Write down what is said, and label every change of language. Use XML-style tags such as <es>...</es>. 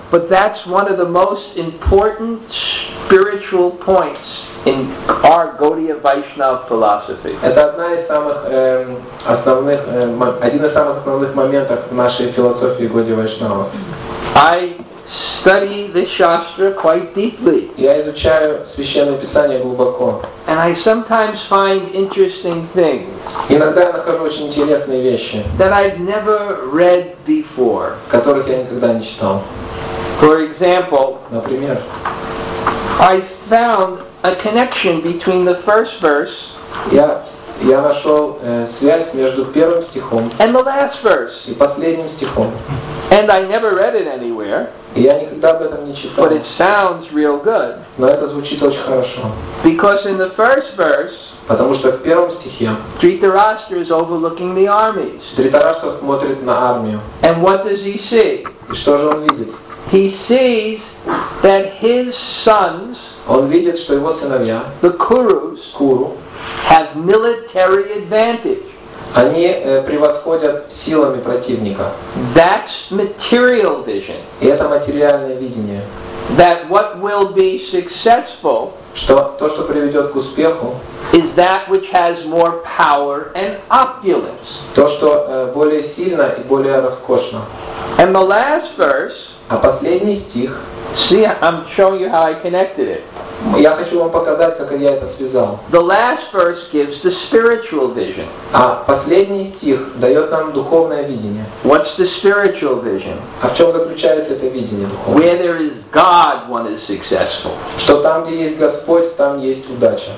<en>But that's one of the most important spiritual points in our Gaudiya Vaishnava philosophy.</en> <ru>Это одна из самых основных один из самых основных моментов нашей философии Гаудия Вайшнава.</ru> <en>I study the Shastra quite deeply.</en> <ru>Я изучаю Священное Писание глубоко.</ru> <en>And I sometimes find interesting things.</en> <ru>Иногда я нахожу очень интересные вещи.</ru> <en>That I've never read before.</en> <ru>Которых я никогда не читал.</ru> <en>For example.</en> <ru>Например.</ru> <en>I found a connection between the first verse.</en> <ru>Я нашел связь между первым стихом.</ru> <en>And the last verse.</en> <ru>И последним стихом.</ru> <en>And I never read it anywhere.</en> <ru>Я никогда об этом не читал.</ru> <en>But it sounds real good.</en> <ru>Но это звучит очень хорошо.</ru> <en>Because in the first verse,</en> <ru>потому что в первом стихе,</ru> <en>Dhritarashtra is overlooking the armies.</en> <ru>Dhritarashtra смотрит на армию.</ru> <en>And what does he see?</en> <ru>И что же он видит?</ru> <en>He sees that his sons,</en> <ru>он видит, что его сыновья,</ru> <en>the Kurus,</en> <ru>Kuru,</ru> <en>have military advantage.</en> <ru>Они превосходят силами противника.</ru> <en>That's material vision.</en> <ru>И это материальное видение.</ru> <en>That what will be successful,</en> <ru>что то, что приведет к успеху,</ru> <en>is that which has more power and opulence.</en> <ru>То, что более сильно и более роскошно.</ru> <en>And the last verse,</en> <ru>а последний стих,</ru> <en>see, I'm showing you how I connected it.</en> <ru>Я хочу вам показать, как я это связал.</ru> <en>The last verse gives the spiritual vision.</en> <ru>А последний стих дает нам духовное видение.</ru> <en>What's the spiritual vision?</en> <ru>А в чем заключается это видение духовное?</ru> <en>Where there is God, one is successful.</en> <ru>Что там, где есть Господь, там есть удача.</ru>